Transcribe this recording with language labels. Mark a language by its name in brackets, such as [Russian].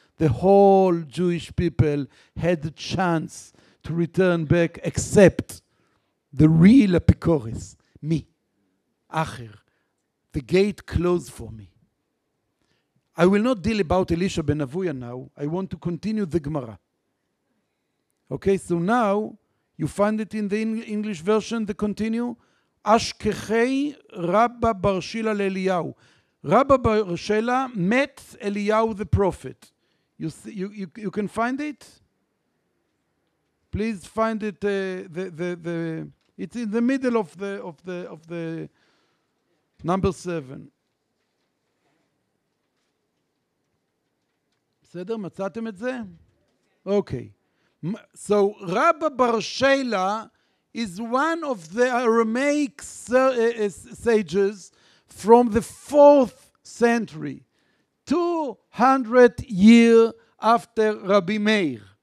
[English] The whole Jewish people had the chance to return back except the real Epicurus, me, Acher. The gate closed for me. I will not deal about Elisha ben Avuya now. I want to continue the Gemara. Okay, so now you find it in the English version, the continue. [Aramaic] אשכחי רבא בר שילא לאליהו. [English] רבא בר שילא met אליהו the prophet. You can find it? Please find it, the it's in the middle of the number 7. [Hebrew] בסדר, מצאתם את זה? אוקיי. [English] So רבא בר שילא is one of the Aramaic sages from the 4th century, 200 years after Rabbi Meir.